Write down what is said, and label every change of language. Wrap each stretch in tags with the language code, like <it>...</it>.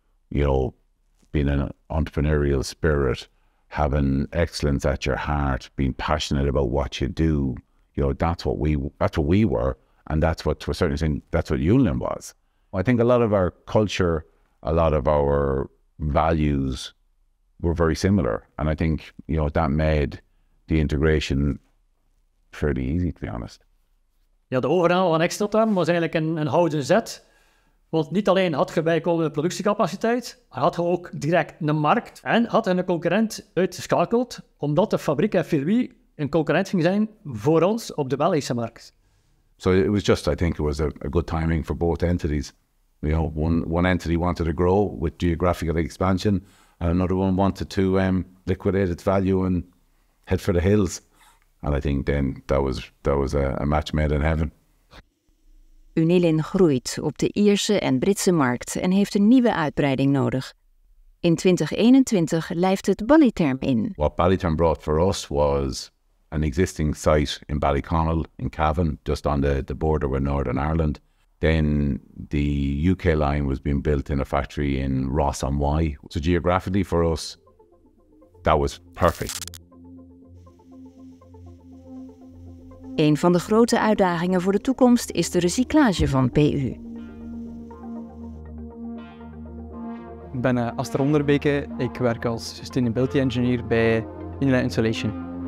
<en>You know, being an entrepreneurial spirit, having excellence at your heart, being passionate about what you do, you know, that's what we were. And that's what, to a certain extent, that's what Unilin was. I think a lot of our culture, a lot of our values were very similar. And I think, you know, that made the integration fairly easy, to be honest.</en> <nl>Ja, de overname van Extratam was eigenlijk een houden zet. Want niet alleen had je bijkomende productiecapaciteit, had je ook direct een markt en had je een concurrent uitgeschakeld, omdat de fabriek in Villeroy een concurrent ging zijn voor ons op de Belgische markt.</nl> <en>So it was just, I think it was a good timing for both entities. You know, one entity wanted to grow with geographical expansion, and another one wanted to liquidate its value and head for the hills. And I think then that was a match made in heaven.</en> <nl>Unilin groeit op de Ierse en Britse markt en heeft een nieuwe uitbreiding nodig. In 2021 lijft het Ballyterm in.</nl> <en>What Ballyterm brought for us was an existing site in Ballyconnell in Cavan, just on the border with Northern Ireland. Then the UK line was being built in a factory in Ross-on-Wye. So geographically for us, that was perfect.</en> <nl>Een van de grote uitdagingen voor de toekomst is de recyclage van PU. Ik ben Aster Onderbeke. Ik werk als sustainability engineer bij Unilin Insulation.</nl>